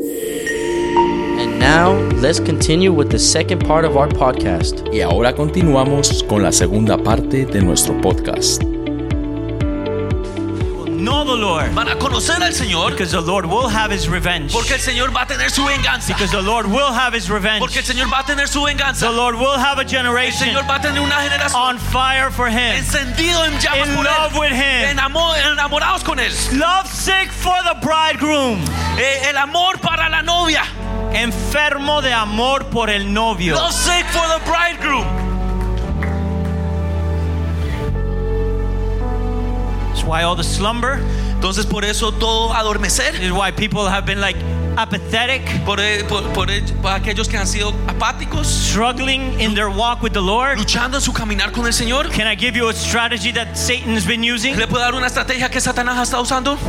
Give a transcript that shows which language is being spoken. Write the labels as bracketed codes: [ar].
[en] And now, let's continue with the second part of our podcast. [es] Y ahora continuamos con la segunda parte de nuestro podcast. [en] Know the Lord. [es] Para conocer al Señor. [en] Because the Lord will have his revenge. [es] Porque el Señor va a tener su venganza. [en] Because the Lord will have his revenge. [es] Porque el Señor va a tener su venganza. [en] The Lord will have a generation. [es] El Señor va a tener una generación. [en] On fire for him. [es] Encendido en llamas [en] in [es] por [en] love [es] él. [en] With him. [es] Enamorados con él. [en] Love sick for the bridegroom. [es] El amor para la novia. Enfermo de amor por el novio. [en] Love sick for the bridegroom. Why all the slumber? [es] Entonces por eso todo adormecer. [en] Is why people have been like apathetic. [es] Por aquellos que han sido apáticos. [en] Struggling in their walk with the Lord. [es] Luchando en su caminar con el Señor. [en] Can I give you a strategy that Satan has been using? [es] ¿Le puedo dar una estrategia que Satanás ha estado usando?